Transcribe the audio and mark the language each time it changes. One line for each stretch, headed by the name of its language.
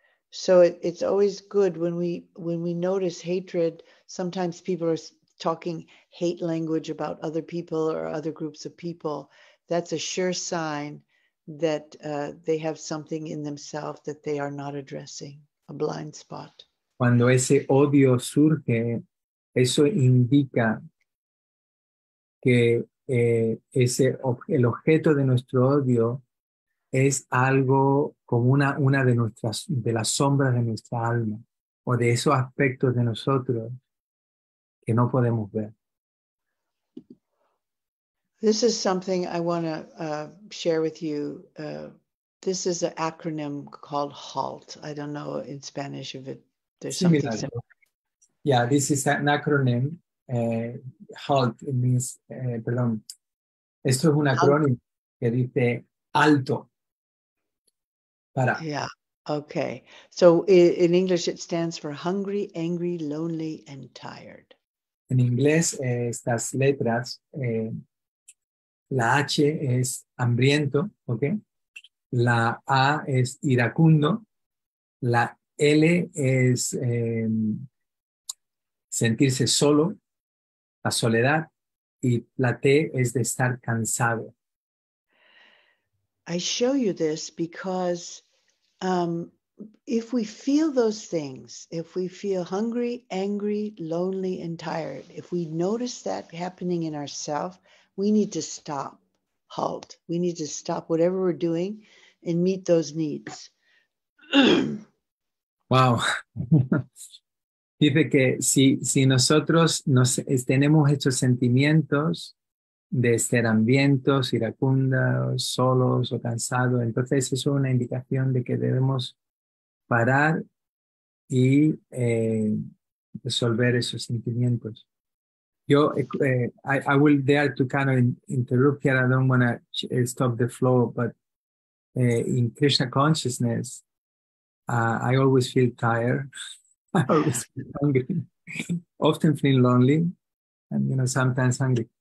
English: So it's always good when we notice hatred. Sometimes people are talking hate language about other people or other groups of people. That's a sure sign that they have something in themselves that they are not addressing, a blind spot.
Spanish: Cuando ese odio surge, eso indica que el objeto de nuestro odio es algo como una de las sombras de nuestra alma o de esos aspectos de nosotros que no podemos ver.
English: This is something I want to share with you This is an acronym called HALT. I don't know in Spanish if it there's similar. Something similar. Yeah, this is an acronym. HALT means,
Spanish: perdón. Esto es un acrónimo que dice ALTO. Para.
English: Yeah, okay. So in English it stands for hungry, angry, lonely, and tired.
Spanish: En inglés, estas letras, la H es hambriento, ¿ok? La A es iracundo, la L es sentirse solo, la soledad, y la T es de estar cansado.
English: I show you this because if we feel those things, if we feel hungry, angry, lonely, and tired, if we notice that happening in ourselves, we need to stop, halt. We need to stop whatever we're doing and meet those needs. Wow.
Spanish: Dice que si nosotros tenemos estos sentimientos de ser hambrientos, iracundos, solos o cansados, entonces eso es una indicación de que debemos parar y resolver esos sentimientos.
English: Yo, I will dare to kind of interrupt here. I don't want to stop the flow, but in Krishna consciousness, I always feel tired. I always feel hungry. Often feel lonely, and you know, sometimes hungry.